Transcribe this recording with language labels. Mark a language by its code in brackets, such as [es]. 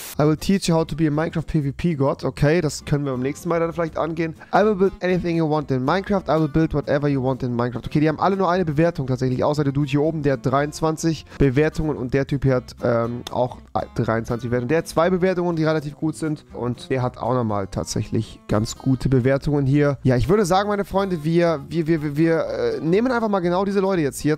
[en] I will teach you how to be a Minecraft PvP God. [de] Okay, das können wir beim nächsten Mal dann vielleicht angehen. [en] I will build anything you want in Minecraft. I will build whatever you want in Minecraft. [de] Okay, die haben alle nur eine Bewertung tatsächlich. Außer der Dude hier oben, der hat 23 Bewertungen. Und der Typ hier hat auch 23 Bewertungen. Der hat 2 Bewertungen, die relativ gut sind. Und der hat auch nochmal tatsächlich ganz gute Bewertungen hier. Ja, ich würde sagen, meine Freunde, wir nehmen einfach mal genau diese Leute jetzt hier.